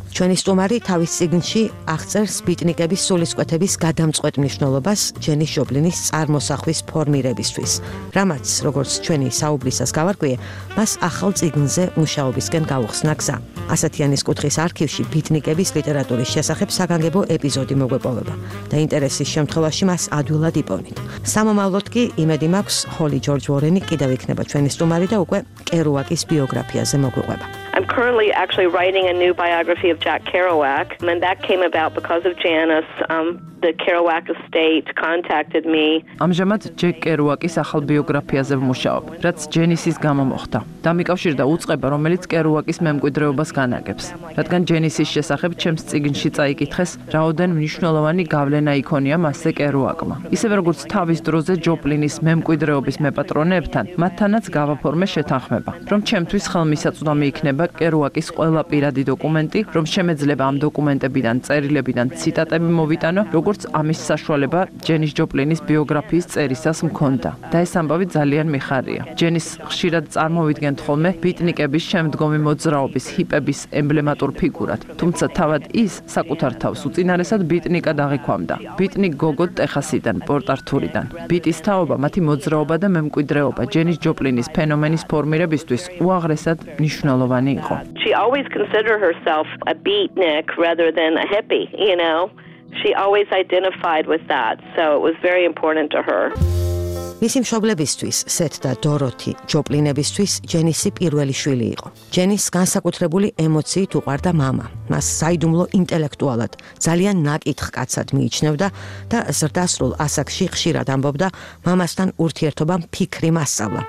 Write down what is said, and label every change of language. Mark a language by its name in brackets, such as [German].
[Georgian] ჩვენი სტუმარი თავის წიგნში აღწერს ბიტნიკების სულისკვეთების გადამწყვეტ მნიშვნელობას ჯენის ჯოპლინის წარმოსახვის ფორმირებისთვის, რამაც, როგორც ჩვენი საუბრისას გავარკვიე, მას ახალ წიგნზე მუშაობისკენ გაუხსნა გზა. ასათიანის კუთხის არქივში ბიტნიკების ლიტერატურის შესახებ საგანგებო ეპიზოდი მოგვეპოვება და ინტერესის შემთხვევაში მას ადვილად იპოვნით. სამომავლოდ კი იმედი მაქვს, ჰოლი ჯორჯ ვორენი კიდევ იქნება ჩვენი სტუმარი და უკვე კერუაკის ბიოგრაფიაზე მოგვიყვება. [English] I'm currently actually writing a new biography of Jack Kerouac, and that came about because of Janice. the Kerouac estate contacted me. [Georgian] Ამჟამად ჯეკ კერუაკის ახალ ბიოგრაფიაზე ვმუშაობ, რაც ჯენისის გამო მოხდა. დამიკავშირდა უწყება, რომელიც კერუაკის მემკვიდრეობას განაგებს, რადგან ჯენისის შესახებ ჩემს წიგნში წაიკითხეს, რაოდენ მნიშვნელოვანი გავლენა იქონია მასზე კერუაკმა. ისევე როგორც თავის დროზე ჯოპლინის მემკვიდრეობის მეპატრონეებთან, მათთანაც გავაფორმე შეთანხმება, რომ ჩემთვის ხელმისაწვდომი იქნება კერუაკის ყველა პირადი დოკუმენტი, რომ შემეძლება ამ დოკუმენტებიდან წერილებიდან ციტატები მოვიტანო, როგორც ამის საშუალება ჯენის ჯოპლინის ბიოგრაფიის წერისას მქონდა. და ეს ამბავი ძალიან მიხარია. ჯენის ხშირად წარმოვიდგენთ ხოლმე ბიტნიკების შემდგომი მოძრაობის ჰიპების ემბლემატურ ფიგურად, თუმცა თავად ის საკუთარ თავს უწინარესად ბიტნიკა დაღიქვამდა. ბიტნიკ გოგო ტეხასიდან, პორტ-ართურიდან. ბიტის თაობა, მათი მოძრაობა და მემკვიდრეობა ჯენის ჯოპლინის ფენომენის ფორმირებისთვის უაღრესად მნიშვნელოვანი იყო. [English] She always considered herself a beatnik rather than a hippie, you know. She always identified with that, so it was very important to her. [Georgian] მისი მშობლებისთვის, სეთ და დოროთი ჯოპლინებისთვის, ჯენისი პირველი შვილი იყო. ჯენის განსაკუთრებული ემოციით უყვარდა მამა. მას საიდუმლო ინტელექტუალად, ძალიან ნაკითხ კაცად მიიჩნევდა და ზრდასრულ ასაკში ხშირად ამბობდა მამასთან ურთიერთობამ ფიქრი მასწავლა.